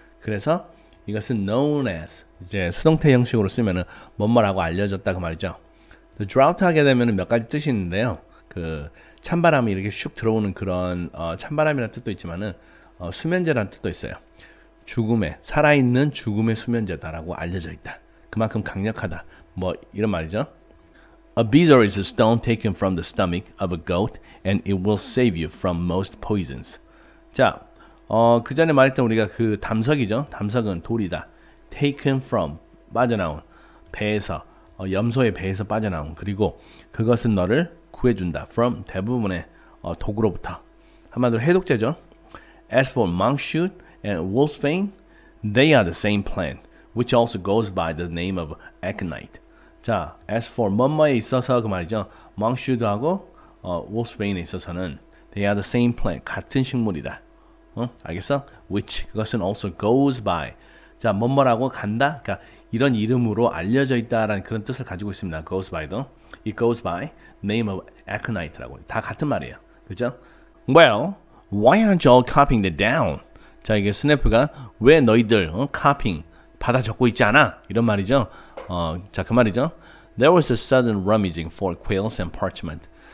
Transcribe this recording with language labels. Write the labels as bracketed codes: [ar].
[ko] 그래서 이것은 [en] known as [ko] 이제 수동태 형식으로 쓰면은 뭐뭐라고 알려졌다 그 말이죠. 드라우트 하게 되면 몇 가지 뜻이 있는데요. 그 찬바람이 이렇게 슉 들어오는 그런 찬바람이라는 뜻도 있지만은 수면제라는 뜻도 있어요. 죽음에 살아있는 죽음의 수면제다라고 알려져 있다. 그만큼 강력하다. 뭐 이런 말이죠. [en] A beaver is a stone taken from the stomach of a goat and it will save you from most poisons. [ko] 자, 그 전에 말했던 우리가 그 담석이죠. 담석은 돌이다. [en] taken from [ko] 빠져나온 배에서 염소의 배에서 빠져나온 그리고 그것은 너를 구해준다. [en] From [ko] 대부분의 독으로부터. 한마디로 해독제죠. [en] As for Monkshood and Wolfsbane, they are the same plant, which also goes by the name of aconite. [ko] 자, [en] as for [ko] 뭐뭐에 있어서 그 말이죠. Monkshood하고 Wolfsbane에 있어서는 [en] they are the same plant, [ko] 같은 식물이다. 어? 알겠어? [en] Which, [ko] 그것은 [en] also goes by. [ko] 자, 뭐뭐라고 간다? 그러니까 이런 이름으로 알려져 있다라는 그런 뜻을 가지고 있습니다. [en] Goes by도. It goes by name of aconite라고. [ko] 다 같은 말이에요. 그죠? [en] Well, why aren't you all copying that down? [ko] 자, 이게 스네프가 왜 너희들 copying, 받아 적고 있지 않아? 이런 말이죠. 자, 그 말이죠. [en] There was a sudden rummaging for quills and parchment.